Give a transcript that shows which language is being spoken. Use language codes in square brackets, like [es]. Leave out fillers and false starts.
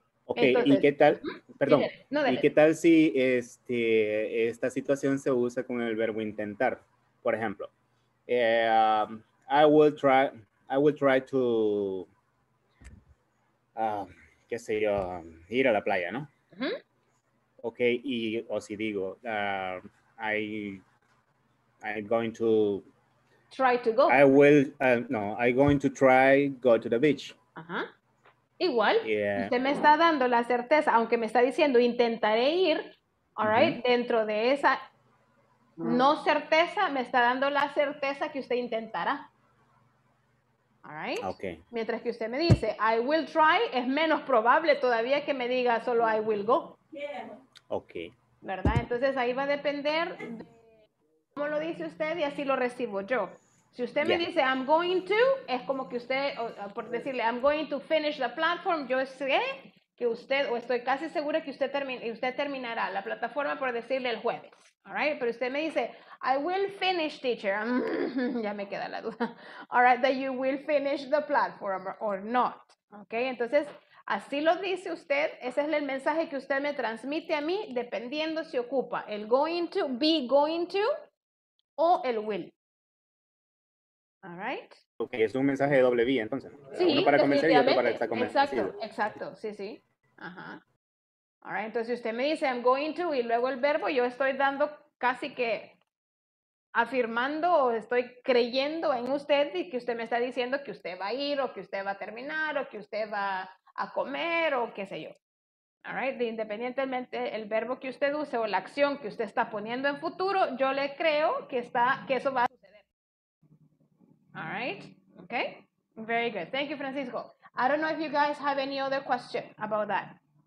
[es] Okay, entonces, ¿y qué tal? Perdón. ¿Y qué tal si esta situación se usa con el verbo intentar? Por ejemplo, [en] I will try to [es] qué sé yo, ir a la playa, ¿no? Uh-huh. Okay, y o si digo [en] I'm going to try to go. I will I'm going to try go to the beach. Ajá. Uh-huh. Igual, yeah. [es] Usted me está dando la certeza, aunque me está diciendo intentaré ir, [en] all right, [es] uh-huh. Dentro de esa no certeza, me está dando la certeza que usted intentará. [en] All right. Okay. [es] Mientras que usted me dice, [en] I will try, [es] es menos probable todavía que me diga solo [en] I will go. Yeah. Okay. [es] ¿Verdad? Entonces ahí va a depender de cómo lo dice usted y así lo recibo yo. Si usted me dice, I'm going to, es como que usted, por decirle, [en] I'm going to finish the platform, [es] yo sé que usted, o estoy casi segura que usted, usted terminará la plataforma, por decirle, el jueves. [en] All right? [es] Pero usted me dice, [en] I will finish, teacher. [es] Ya me queda la duda. [en] All right, that you will finish the platform or not. [es] Okay? Entonces, así lo dice usted. Ese es el mensaje que usted me transmite a mí, dependiendo si ocupa el going to, be going to, o el will. [en] All right? [es] Okay, es un mensaje de doble vía, entonces. Sí, uno para convencer y otro para estar convencido. Exacto, exacto. Sí, sí. Ajá. [en] All right, [es] entonces usted me dice, [en] I'm going to, [es] y luego el verbo, yo estoy dando casi que afirmando o estoy creyendo en usted y que usted me está diciendo que usted va a ir o que usted va a terminar o que usted va a comer o qué sé yo. [en] All right, [es] independientemente el verbo que usted use o la acción que usted está poniendo en futuro, yo le creo que está, que eso va a suceder. [en] All right, okay, very good. Thank you, Francisco. I don't know if you guys have any other question about that.